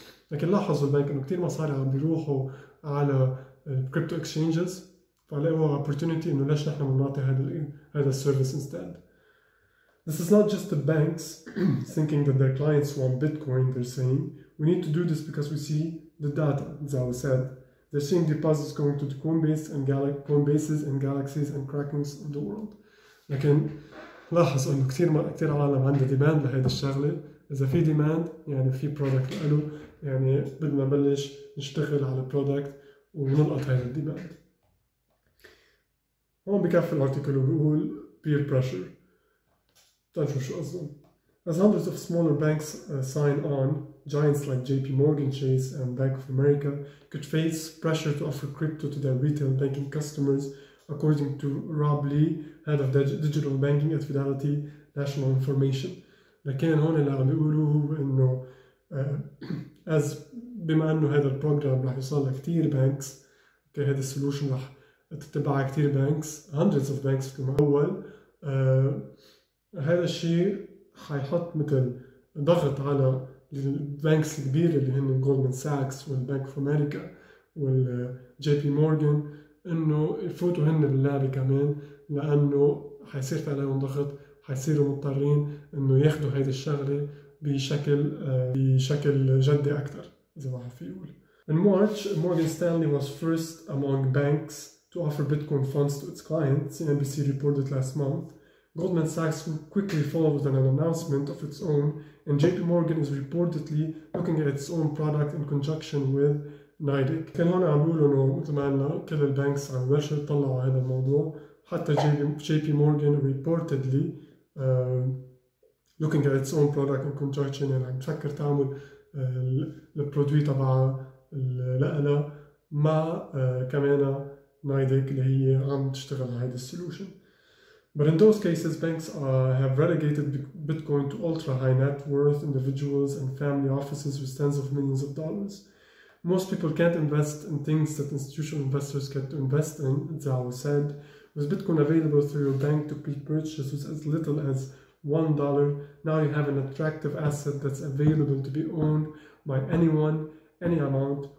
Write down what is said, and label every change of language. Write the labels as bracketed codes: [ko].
[ar] لكن لاحظوا البنك انه كثير مصاري عم بيروحوا على الكريبتو اكسشينجز، فلاقوا opportunity انه ليش نحن بنعطي هذا السيرفيس instead. [en] This is not just the banks thinking that their clients want Bitcoin, they're saying we need to do this because we see the data, Zhao said. They're seeing deposits going to the Coinbase and Coinbases and Galaxies and Krakens of the world. [ar] لكن لاحظ انه كثير عالم عنده ديماند لهيدي الشغله. اذا في ديماند يعني في برودكت له، يعني بدنا نبلش نشتغل على برودكت ونلقط هذا الديماند. هون بكفي الارتيكل وبيقول [en] peer pressure. [ar] تنشوف شو قصدهم. [en] As hundreds of smaller banks sign on, giants like JP Morgan Chase and Bank of America could face pressure to offer crypto to their retail banking customers, according to Rob Lee, head of digital banking at Fidelity National Information. [ar] لكن هون اللي عم بيقولوا هو انه as بما انه هذا البروجرام راح يوصل لكثير بانكس، اوكي هذا السولوشن راح تتبعها كثير بانكس، [en] hundreds of banks [ar] في المعول، هذا الشيء حيحط مثل ضغط على البنكس الكبيرة اللي هن جولدمان ساكس والبنك اوف امريكا والجي بي مورغان انه يفوتوا هن باللعبة كمان، لانه حيصير في عليهم ضغط، حيصيروا مضطرين انه ياخذوا هيدي الشغلة بشكل جدي اكثر. زي ما في يقول [en] in March Morgan Stanley was first among banks to offer Bitcoin funds to its clients, CNBC reported last month. Goldman Sachs quickly followed an announcement of its own, and JP Morgan is reportedly looking at its own product in conjunction with NYDIG. [ar] كان هون عم بيقولوا انه مثل ما قلنا كل البنكس عم بلشوا يطلعوا على هذا الموضوع، حتى JP Morgan [en] reportedly looking at its own product in conjunction، [ar] يعني عم تفكر تعمل البرودوي تبع لقلا مع كمان NYDIG اللي هي عم تشتغل على هذا السولوشن. [en] But in those cases, banks have relegated Bitcoin to ultra-high net worth individuals and family offices with tens of millions of dollars. Most people can't invest in things that institutional investors get to invest in, Zhao said. With Bitcoin available through your bank to pre-purchase with as little as $1, now you have an attractive asset that's available to be owned by anyone, any amount.